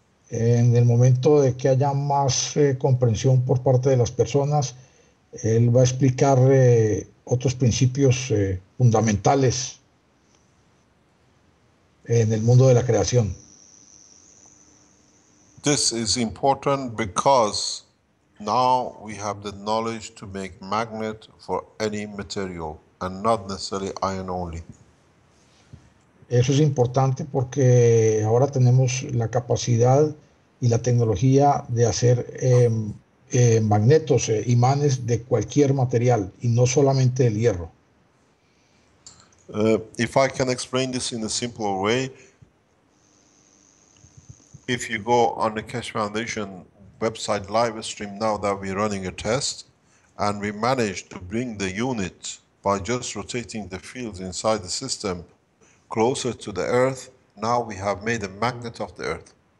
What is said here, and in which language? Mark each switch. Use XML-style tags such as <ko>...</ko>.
<es>En el momento de que haya más comprensión por parte de las personas, él va a explicar otros principios fundamentales en el mundo de la creación.</es> <en>This is important because now we have the knowledge to make magnet for any material and not necessarily iron only.</en> <es>Eso es importante porque ahora tenemos la capacidad y la tecnología de hacer magnetos, imanes de cualquier material y no solamente del hierro.</es> <en>If I can explain this in a simpler way, if you go on the Keshe Foundation website live stream now that we're running a test, and we managed to bring the unit by just rotating the fields inside the system closer to the Earth, now we have made a magnet of the Earth.</en>